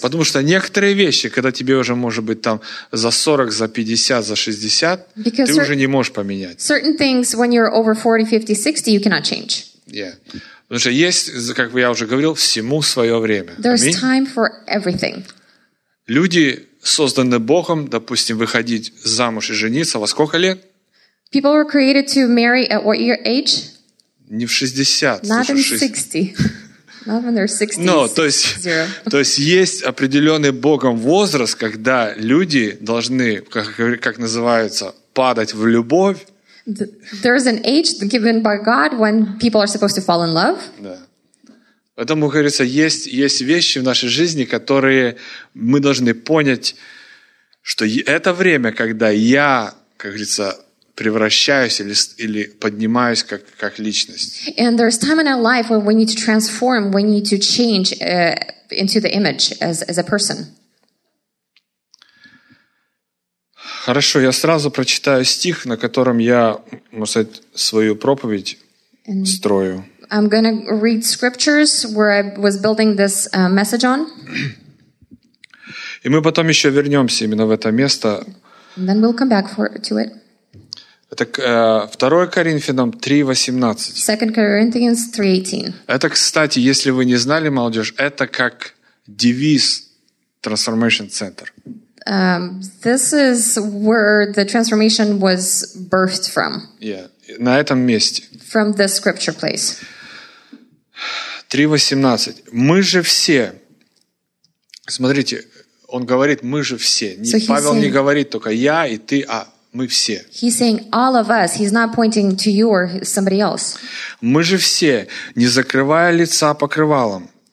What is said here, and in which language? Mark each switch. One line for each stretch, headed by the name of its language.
Russian: Потому что некоторые вещи, когда тебе уже может быть там за 40, за 50, за 60,
English: Because
Russian: ты уже не можешь поменять.
English: Certain things when you're over 40, 50, 60, you cannot change. Yeah.
Russian: Потому что есть, как я уже говорил, всему свое время.
English: There's
Russian: Аминь.
English: Time for everything.
Russian: Люди созданы Богом, допустим, выходить замуж и жениться во сколько лет?
English: People were created to marry at what your age?
Russian: Не в 60.
English: Not in 60. Not when they're 60.
Russian: No, то есть есть определенный Богом возраст, когда люди должны, как называется, падать в любовь.
English: There's an age given by God when people are supposed to fall in love.
Russian: Да. Поэтому, как говорится, есть вещи в нашей жизни, которые мы должны понять, что это время, когда я, как говорится, превращаюсь или поднимаюсь как личность.
English: And there's time in our life when we need to transform, when we need to change into the image as a person.
Russian: Хорошо, я сразу прочитаю стих, на котором я, можно сказать, свою проповедь and строю.
English: I'm going to read scriptures where I was building this message on.
Russian: И мы потом еще вернемся именно в это место.
English: And then we'll come back to it.
Russian: Это 2 Коринфянам 3:18. Это, кстати, если вы не знали, молодежь, это как девиз Transformation Center.
English: This is where the transformation was birthed from. Yeah, на этом месте. From the scripture place.
Russian: 3:18. Мы же все. Смотрите, он говорит, мы же все.
English: So
Russian: Павел
English: saying,
Russian: не говорит только я и ты, а мы все.
English: He's saying all of us. He's not pointing to you or somebody else.
Russian: Мы же все, не закрывая лица покрывалом.